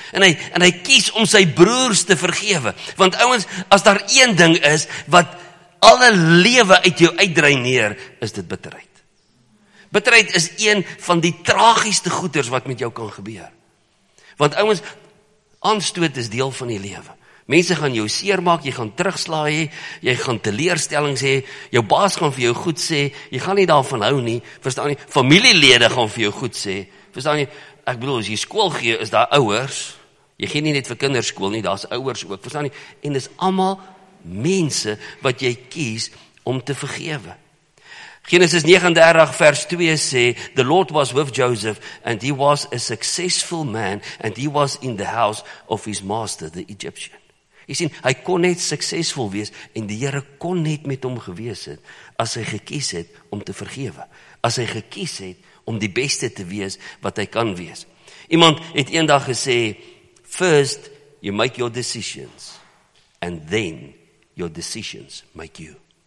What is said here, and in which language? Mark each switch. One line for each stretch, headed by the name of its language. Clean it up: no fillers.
Afrikaans: En hy kies om sy broers te vergewe. Want ouens, as daar een ding is, wat alle lewe uit jou uitdreineer, is dit bitterheid. Bitterheid is een van die tragiesste goeders wat met jou kan gebeur. Want ouens, aanstoot is deel van die lewe. Mense gaan jou seermaak, jy gaan terugslaai, jy gaan teleurstellings hê, jou baas gaan vir jou goed sê, jy gaan nie daarvan hou nie, verstaan nie, familielede gaan vir jou goed sê, verstaan nie, ek bedoel, as jy skool gee, is daar ouers, jy gee nie net vir kinderskool nie, daar is ouers ook, verstaan nie, en dis allemaal mense wat jy kies om te vergewe. Genesis 39 vers 2 sê,
English: the Lord was with Joseph, and he was a successful man, and he was in the house of his master, the Egyptian.
Afrikaans: Jy sien, hy kon net suksesvol wees, en die Here kon net met hom gewees het, as hy gekies het om te vergewe. As hy gekies het om die beste te wees, wat hy kan wees. Iemand het eendag gesê,
English: first you make your decisions, and then your decisions make you.